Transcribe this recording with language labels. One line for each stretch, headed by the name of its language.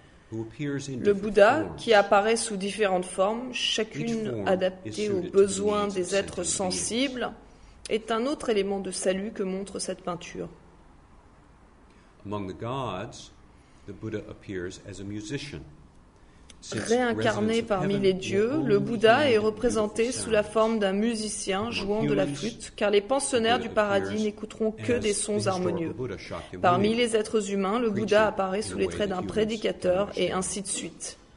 French: Le Bouddha, qui apparaît sous différentes formes, chacune adaptée aux besoins des êtres sensibles, est un autre élément de salut que montre cette peinture.
English: Among the gods, the Buddha appears as a musician.
French: Réincarné parmi les dieux, le Bouddha est représenté sous la forme d'un musicien jouant de la flûte, car les pensionnaires du paradis n'écouteront que des sons harmonieux. Parmi les êtres humains, le Bouddha apparaît sous les traits d'un prédicateur et ainsi de suite.